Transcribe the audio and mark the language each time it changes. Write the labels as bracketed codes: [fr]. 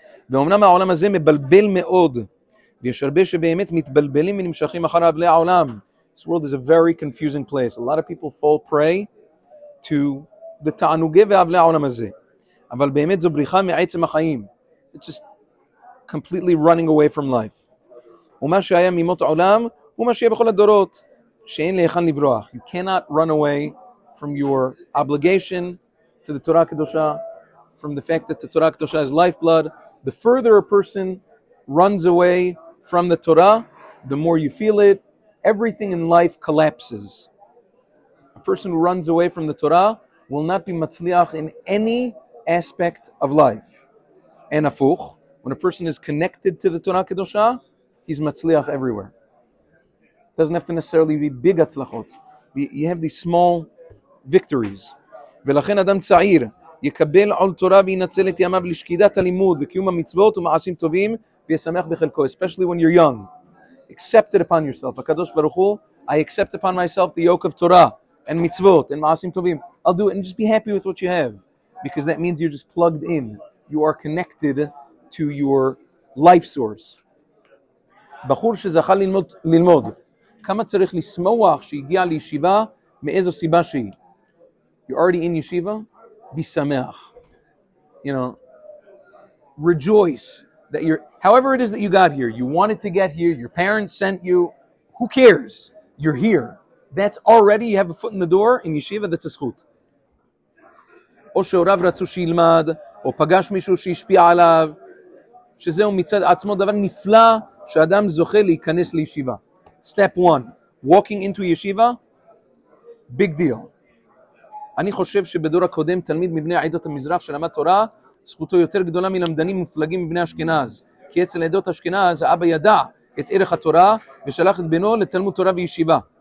[he] ואומנם העולם הזה מבלבל מאוד, ויש הרבה שבאמת מתבלבלים ונמשכים אחר הבלי העולם. [en] This world is a very confusing place. A lot of people fall prey to the [he] תענוגי והבלי העולם הזה. אבל באמת זו בריחה מעצם החיים. [en] It's just completely running away from life. [he] ומה שהיה ממות העולם, הוא מה שיהיה בכל הדורות, שאין להיכן לברוח. [en] You cannot run away from your obligation to the Torah Kedosha, from the fact that the Torah Kedosha is lifeblood. The further a person runs away from the Torah, the more you feel it. Everything in life collapses. A person who runs away from the Torah will not be matzliach in any aspect of life. And afuch, when a person is connected to the Torah Kedosha, he's matzliach everywhere. Doesn't have to necessarily be big atzlachot. You have these small victories. [he] ולכן אדם צעיר יקבל עול תורה וינצל את ימיו לשקידת הלימוד וקיום המצוות ומעשים טובים וישמח בחלקו. [en] Especially when you're young. Accept it upon yourself. [he] הקדוש ברוך הוא, [en] I accept upon myself the yoke of Torah and מצוות and [he] מעשים טובים. [en] I'll do it and just be happy with what you have. Because that means you're just plugged in. You are connected to your life source. [he] בחור שזכה ללמוד. כמה צריך לשמוח שהגיע לישיבה מאיזו סיבה שהיא. [en] You're already in yeshiva, be sameach. You know, rejoice that you're, however it is that you got here, you wanted to get here, your parents sent you, who cares? You're here. That's already, you have a foot in the door in yeshiva, that's a zchut. [he] או שהוריו רצו שילמד, או פגש מישהו שהשפיע עליו, שזהו מצד עצמו דבר נפלא שאדם זוכה להיכנס לישיבה. [en] Step one, walking into yeshiva, big deal. [he] אני חושב שבדור הקודם תלמיד מבני עדות המזרח שלמד תורה זכותו יותר גדולה מלמדנים מופלגים מבני אשכנז כי אצל עדות אשכנז האבא ידע את ערך התורה ושלח את בנו לתלמוד תורה וישיבה.